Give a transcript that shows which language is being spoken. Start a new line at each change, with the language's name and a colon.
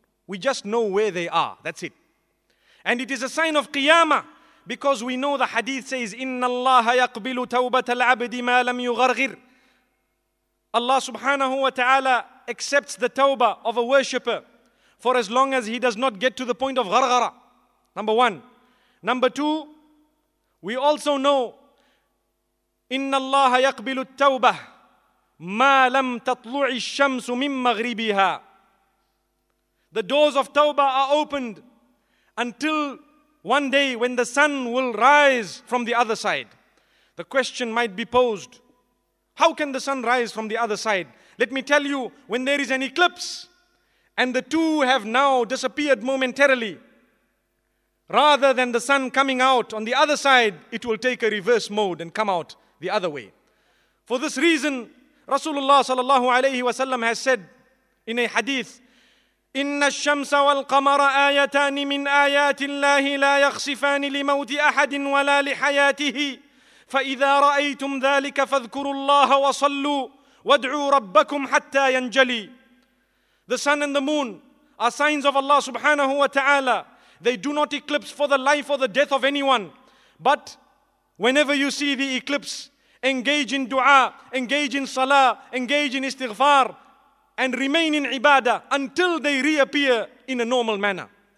English: We just know where they are. That's it. And it is a sign of qiyamah. Because we know the hadith says,
Arabic: إِنَّ اللَّهَ يَقْبِلُ تَوْبَةَ الْعَبْدِ مَا لَمْ يُغَرْغِرْ.
English: Allah subhanahu wa ta'ala accepts the tawbah of a worshipper for as long as he does not get to the point of gharghara. Number one. Number two, we also know,
Arabic: إِنَّ اللَّهَ يَقْبِلُ التَّوْبَةِ مَا لَمْ تَطْلُعِ الشَّمْسُ مِنْ مَغْرِبِهَا.
English: The doors of tawbah are opened until one day when the sun will rise from the other side. The question might be posed, how can the sun rise from the other side? Let me tell you, when there is an eclipse and the two have now disappeared momentarily, rather than the sun coming out on the other side, it will take a reverse mode and come out the other way. For this reason, Rasulullah sallallahu alayhi wa sallam has said in a hadith,
Arabic: إِنَّ الشَّمْسَ وَالْقَمَرَ آيَتَانِ مِنْ آيَاتِ اللَّهِ لَا يَخْسِفَانِ لِمَوْتِ أَحَدٍ وَلَا لِحَيَاتِهِ فَإِذَا رَأَيْتُمْ ذَلِكَ فَاذْكُرُوا اللَّهَ وَصَلُّوا وَادْعُوا رَبَّكُمْ حَتَّى يَنْجَلِي.
English: The sun and the moon are signs of Allah subhanahu wa ta'ala. They do not eclipse for the life or the death of anyone. But whenever you see the eclipse, engage in dua, engage in salah, engage in istighfar, and remain in ibadah until they reappear in a normal manner.